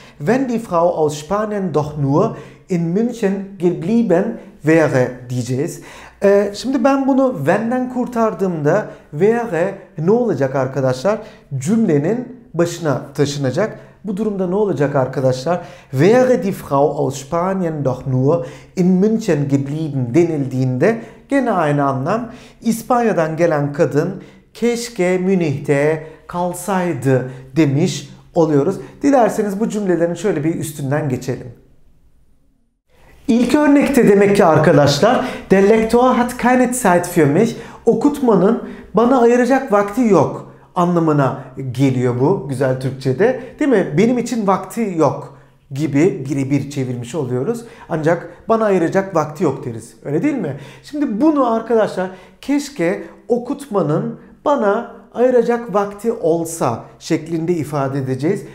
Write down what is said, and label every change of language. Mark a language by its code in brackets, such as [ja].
[de] Wenn die Frau aus Spanien doch nur in München geblieben wäre diyeceğiz. [tr] Şimdi ben bunu wenn'den kurtardığımda wäre ne olacak arkadaşlar? Cümlenin başına taşınacak. Bu durumda ne olacak arkadaşlar? [de] Wäre die Frau aus Spanien doch nur in München geblieben denildiğinde gene aynı anlam. [tr] İspanya'dan gelen kadın keşke Münih'te kalsaydı demiş oluyoruz. Dilerseniz bu cümlelerin şöyle bir üstünden geçelim. [de] İlk örnekte demek ki arkadaşlar der Lektor hat keine Zeit für mich. [tr] Okutmanın bana ayıracak vakti yok anlamına geliyor bu güzel Türkçe'de. Değil mi? Benim için vakti yok gibi birebir çevirmiş oluyoruz. Ancak bana ayıracak vakti yok deriz. Öyle değil mi? Şimdi bunu arkadaşlar keşke okutmanın bana ayıracak vakti olsa şeklinde ifade edeceğiz.